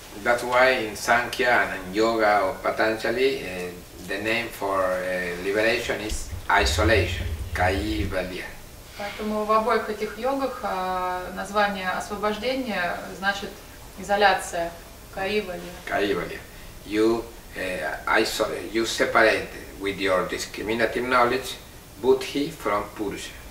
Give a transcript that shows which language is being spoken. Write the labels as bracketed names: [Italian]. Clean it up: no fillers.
[English] That's why in Sankhya and in yoga or Patanjali, the name for liberation is isolation, Kaivalya. [Russian] Поэтому в обоих этих йогах название освобождения значит изоляция, Kaivalya. [English] Kaivalya. You separate with your discriminative knowledge, Buddhi from Purusha.